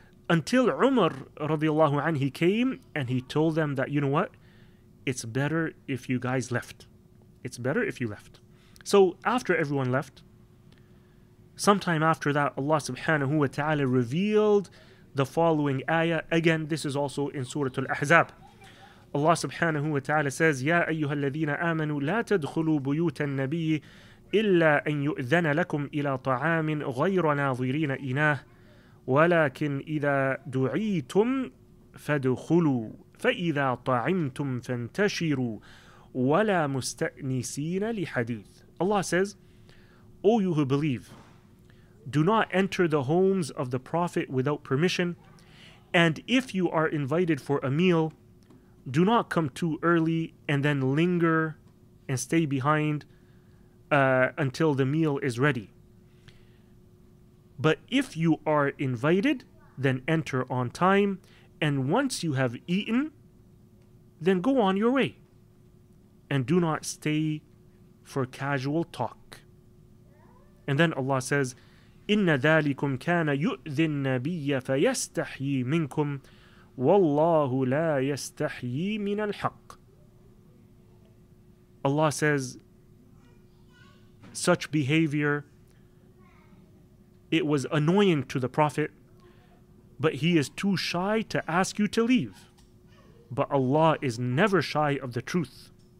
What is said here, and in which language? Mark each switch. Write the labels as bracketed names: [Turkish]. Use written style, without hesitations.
[English] Until Umar radiallahu anhu came, and he told them that, it's better if you guys left. It's better if you left. So after everyone left, sometime after that, Allah subhanahu wa ta'ala revealed the following ayah. Again, this is also in Surah Al-Ahzab. Allah subhanahu wa ta'ala says, [Arabic] يَا أَيُّهَا الَّذِينَ آمَنُوا لَا تَدْخُلُوا بُيُوتَ النَّبِيِّ إِلَّا أَنْ يُؤْذَنَ لَكُمْ إِلَى طَعَامٍ غَيْرَ نَاظِرِينَ إِنَاهِ وَلَكِنْ إِذَا دُعِيتُمْ فَدْخُلُوا فَإِذَا طَعِمْتُمْ فَانْتَشِرُوا وَلَا مُسْتَأْنِسِينَ لِحَدِيثٍ. [English] Allah says, O you who believe, do not enter the homes of the Prophet without permission, and if you are invited for a meal, do not come too early and then linger and stay behind until the meal is ready. But if you are invited, then enter on time, and once you have eaten, then go on your way, and do not stay for casual talk. And then Allah says, [Arabic] إِنَّ ذَٰلِكُمْ كَانَ يُؤْذِ النَّبِيَّ فَيَسْتَحْيِي مِنْكُمْ وَاللَّهُ لَا يَسْتَحْيِي مِنَ الْحَقِّ. [English] Allah says, such behavior, it was annoying to the Prophet, but he is too shy to ask you to leave. But Allah is never shy of the truth.